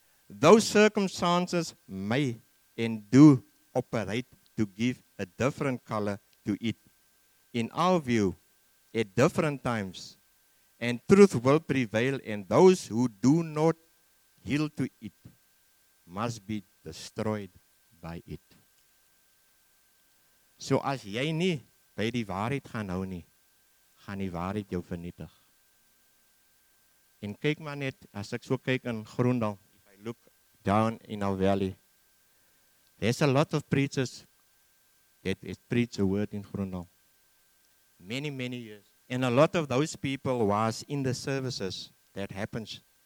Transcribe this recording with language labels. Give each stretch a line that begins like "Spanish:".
English: Those circumstances may and do operate to give a different color to it. In our view, at different times, and truth will prevail, and those who do not yield to it must be destroyed by it.
Afrikaans: So as jy nie by die waarheid gaan hou nie, gaan die waarheid jou vernietig. En kyk maar net, as ek so kyk in Groendal,
English: if I look down in our valley, there's a lot of preachers that has preached a word in Groendal. Many, many years. And a lot of those people was in the services that happens.